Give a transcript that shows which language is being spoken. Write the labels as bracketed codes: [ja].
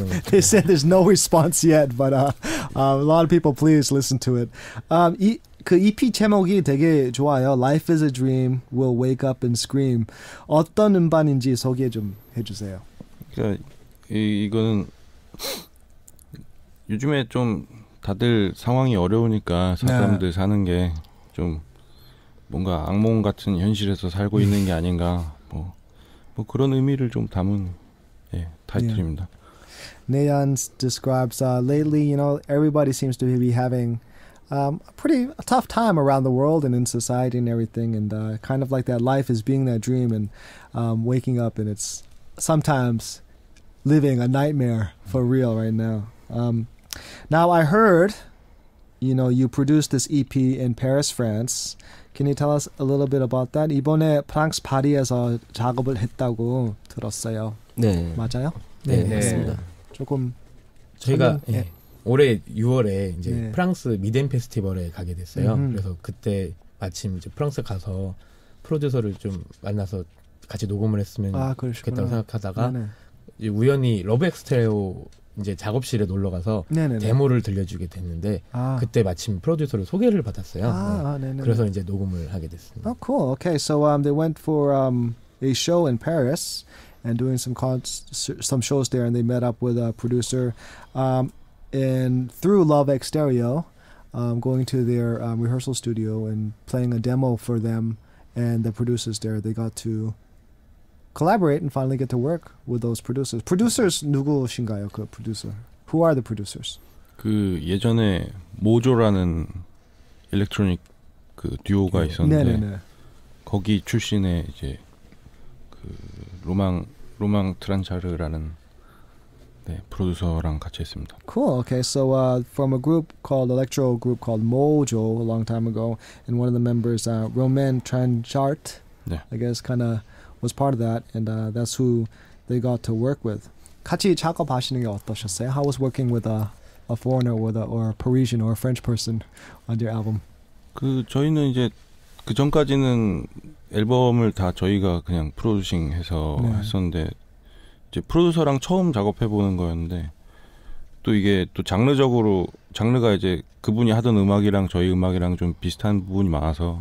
[en] They said there's no response yet, but a lot of people please listen to it. [ko] 그 EP 제목이 되게 좋아요. [en] Life is a Dream, We'll Wake Up and Scream. [ko] 어떤 음반인지 소개 좀 해주세요. 그러니까 이거는 요즘에 좀 다들 상황이 어려우니까 사람들 네. 사는 게 좀 뭔가 악몽 같은 현실에서 살고 있는 게 아닌가 뭐 그런 의미를 좀 담은 예, 타이틀입니다. [en] Nayan describes lately, you know, everybody seems to be having a pretty tough time around the world and in society and everything, and kind of like that life is being that dream and waking up and it's sometimes living a nightmare for real right now. Now, I heard, you know, you produced this EP in Paris, France. Can you tell us a little bit about that? [ko] 이번에 프랑스 파리에서 작업을 했다고 들었어요. 네. 맞아요? 네, 네. 맞습니다. 조금 저희가 예. 올해 6월에 이제 네. 프랑스 미덴 페스티벌에 가게 됐어요. 그래서 그때 마침 이제 프랑스 가서 프로듀서를 좀 만나서 같이 녹음을 했으면 좋겠다고 생각하다가 네네. 이제 우연히 러브엑스테레오 이제 작업실에 놀러 가서 네네네. 데모를 들려주게 됐는데 아. 그때 마침 프로듀서로 소개를 받았어요. 아, 네. 아, 그래서 이제 녹음을 하게 됐습니다. [en] Oh, cool. Okay. So they went for a show in Paris and doing some shows there, and they met up with a producer. And through Love Exterio, going to their rehearsal studio and playing a demo for them and the producers there, they got to collaborate and finally get to work with those producers. Producers [ko] 누구신가요? 그 [en] producer. Who are the producers? [ko] 그 예전에 모조라는 electronic 그 듀오가 있었는데 네네네. 거기 출신의 이제 그 로망 트란차르라는 네, 프로듀서랑 같이 했습니다. [en] Cool. Okay. So from a group called electro group called Mojo a long time ago, and one of the members Romain Tranchart, [ko] 네. [en] I guess kind of was part of that, and that's who they got to work with. [ko] 같이 작업하시는 게 어떠셨어요? [en] How was working with a foreigner or a Parisian or a French person on your album? [ko] 그 저희는 이제 그 전까지는 앨범을 다 저희가 그냥 프로듀싱 해서 네. 했었는데 이제 프로듀서랑 처음 작업해 보는 거였는데 또 이게 또 장르가 이제 그분이 하던 음악이랑 저희 음악이랑 좀 비슷한 부분이 많아서